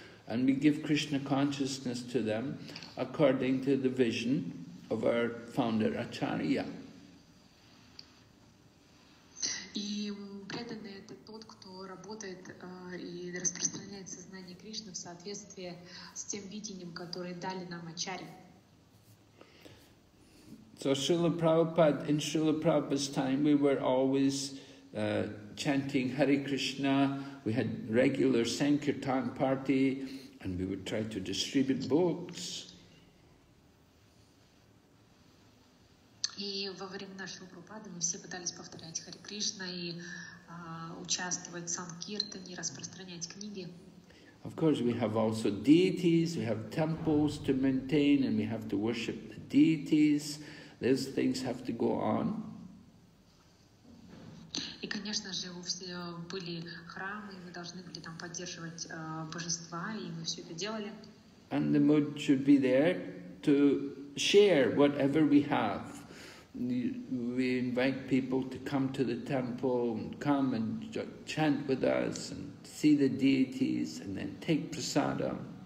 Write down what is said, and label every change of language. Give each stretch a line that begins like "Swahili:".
English: And we give Krishna consciousness to them according to the vision of our founder Acharya.
Russian: И преданный — это тот, кто работает и распространяет сознание Кришны в соответствии с тем видением, которое дали нам Ачарьи.
English: So Srila Prabhupada, in Srila Prabhupada's time, we were always chanting Hare Krishna, we had regular Sankirtan party, and we would try to distribute books.
Russian: И во время нашего Прабхупады мы все пытались повторять Хари Кришна и участвовать в санкиртане, распространять книги.
English: Of course, we have also deities, we have temples to maintain, and we have to worship the deities. These things have to go on.
Russian: И, конечно же, у всех были храмы, и мы должны были там поддерживать божества, и мы все это делали.
English: And the mood should be there to share whatever we have. We invite people to come to the temple, come and chant with us, and see the deities, and then take prasada.